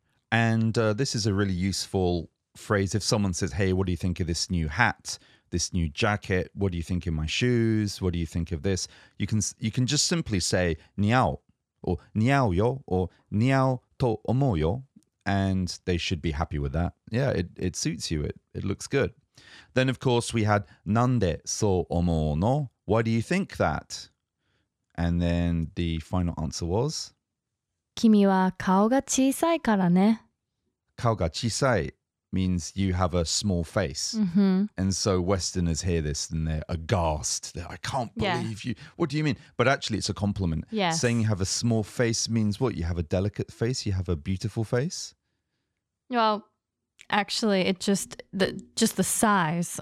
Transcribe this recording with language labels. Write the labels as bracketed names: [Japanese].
[English] And this is a really usefphrase if someone says, hey, what do you think of this new hat, this new jacket, what do you think of my shoes, what do you think of this, you can just simply say [Japanese] 似合う [English] or [Japanese] 似合うよ [English] or [Japanese] 似合うと思うよ, [English] and they should be happy with that. Yeah, it suits you, it looks good. Then of course we had [Japanese] なんでそう思うの, [English] why do you think that, and then the final answer was [Japanese] 君は顔が小さいからね。顔が小さい [English] means you have a small face. Mm-hmm. And so Westerners hear this and they're aghast. They're, I can't believe you. What do you mean? But actually, it's a compliment. Yes. Saying you have a small face means what? You have a delicate face? You have a beautiful face? Well, actually, it just the size.